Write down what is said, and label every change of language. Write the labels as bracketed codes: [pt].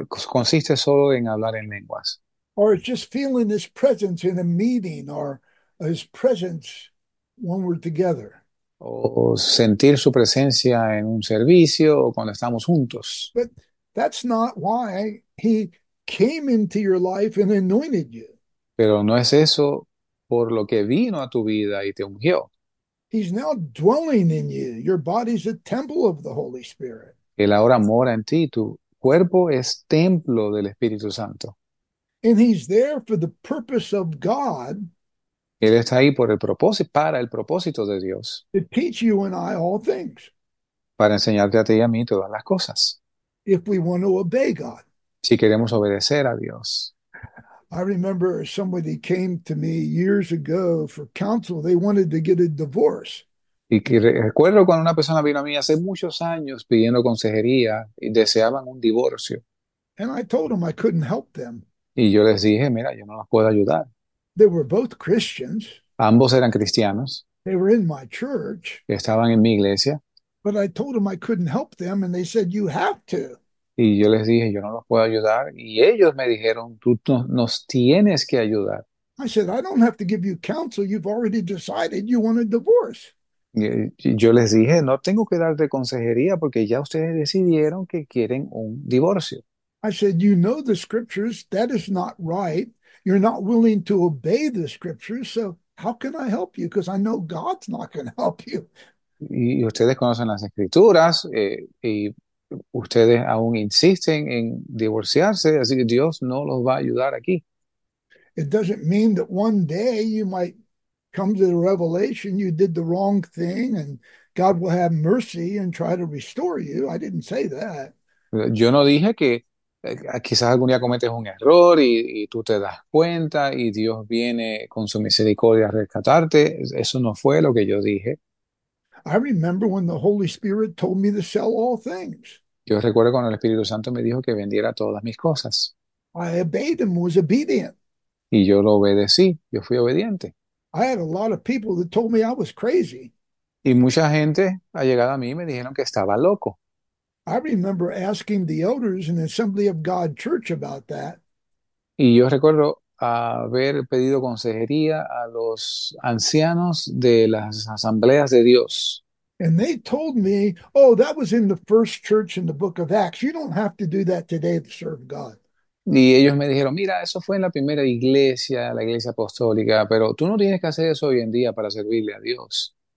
[es] consiste solo en hablar en lenguas. [en] Or it's just feeling his presence in a meeting or his presence when we're together. [es] O sentir su presencia en un servicio o cuando estamos juntos. [en] But that's not why he came into your life and anointed you. [es] Pero no es eso por lo que vino a tu vida y te ungió. [en] He's now dwelling in you. Your body's a temple of the Holy Spirit. [es] Él ahora mora en ti, tu cuerpo es templo del Espíritu Santo. [en] And he's there for the purpose of God [es] Él está ahí por el propósito, para el propósito de Dios, [en] to teach you and I all things. [es] para enseñarte a ti y a mí todas las cosas. [en] If we want to obey God. [es] Si queremos obedecer a Dios. [en] I remember somebody came to me years ago for counsel. They wanted to get a divorce. [es] Y recuerdo cuando una persona vino a mí hace muchos años pidiendo consejería y deseaban un divorcio. [en] And I told them I couldn't help them. [es] Y yo les dije, mira, yo no los puedo ayudar. [en] They were both Christians. [es] Ambos eran cristianos. [en] They were in my church. [es] Estaban en mi iglesia. [en] But I told them I couldn't help them, and they said, you have to. [es] Y yo les dije, yo no los puedo ayudar. Y ellos me dijeron, tú nos tienes que ayudar. [en] I said, I don't have to give you counsel. You've already decided you want a divorce. [es] Yo les dije, no tengo que darte consejería porque ya ustedes decidieron que quieren un divorcio. [en] I said, you know the scriptures. That is not right. You're not willing to obey the scriptures, so how can I help you? Because I know God's not going to help you. [es] Y ustedes conocen las escrituras, y ustedes aún insisten en divorciarse, así que Dios no los va a ayudar aquí. [en] It doesn't mean that one day you might come to the revelation you did the wrong thing and God will have mercy and try to restore you. I didn't say that. [es] Yo no dije que quizás algún día cometes un error y tú te das cuenta y Dios viene con su misericordia a rescatarte. Eso no fue lo que yo dije. [en] I remember when the Holy Spirit told me to sell all things. [es] Yo recuerdo cuando el Espíritu Santo me dijo que vendiera todas mis cosas. [en] I obeyed him, was obedient. [es] Y yo lo obedecí, yo fui obediente. [en] I had a lot of people that told me I was crazy. [es] Y mucha gente ha llegado a mí y me dijeron que estaba loco. [en] I remember asking the elders in the Assembly of God Church about that. [es] Y yo recuerdo haber pedido consejería a los ancianos de las asambleas de Dios. [en] And they told me, oh, that was in the first church in the book of Acts. You don't have to do that today to serve God. [es] Y ellos me dijeron, mira, eso fue en la primera iglesia, la iglesia apostólica, pero tú no tienes que hacer eso hoy en día para servirle a Dios.